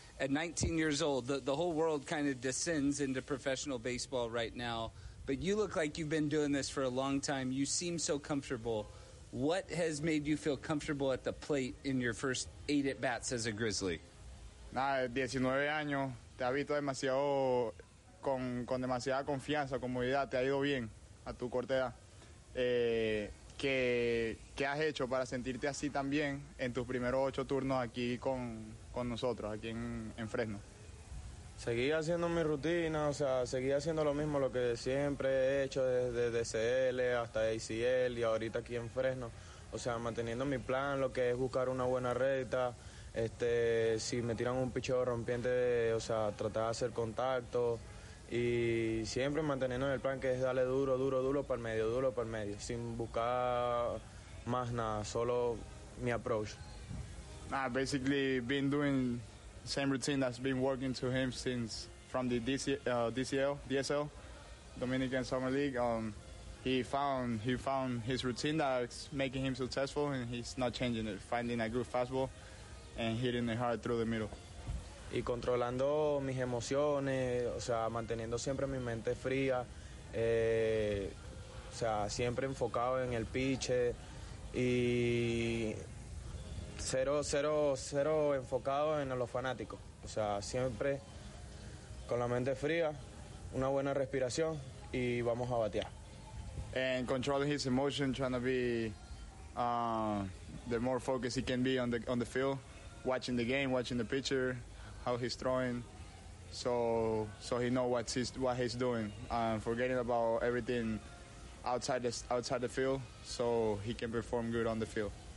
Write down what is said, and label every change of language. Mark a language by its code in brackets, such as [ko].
[en] At 19 years old, the whole world kind of descends into professional baseball right now. But you look like you've been doing this for a long time. You seem so comfortable. What has made you feel comfortable at the plate in your first 8 at-bats as a Grizzly? [es] Nah, 19 años. Te ha visto demasiado con demasiada confianza, comodidad. Te ha ido bien a tu corta edad. ¿Qué has hecho para sentirte así también en tus primeros 8 turnos aquí con nosotros, aquí en Fresno? Seguí haciendo mi rutina, o sea, seguí haciendo lo mismo, lo que siempre he hecho desde DCL hasta ACL y ahorita aquí en Fresno. O sea, manteniendo mi plan, lo que es buscar una buena recta. Si me tiran un picheo rompiente, o sea, tratar de hacer contacto. Y siempre manteniendo el plan que es darle duro, duro, duro para el medio, sin buscar más nada, solo mi approach. [en] Nah, basically been doing same routine that's been working to him since from the DCL, Dominican Summer League. He found his routine that's making him successful, and he's not changing it, finding a good fastball and hitting it hard through the middle. [es] Y controlando mis emociones, o sea, manteniendo siempre mi mente fría, o sea, siempre enfocado en el pitch y cero enfocado en los fanáticos. O sea, siempre con la mente fría, una buena respiración y vamos a batear. [en] And controlling his emotion, trying to be the more focused he can be on the field, watching the game, watching the pitcher, how he's throwing, so he knows what he's doing, forgetting about everything outside the field, so he can perform good on the field.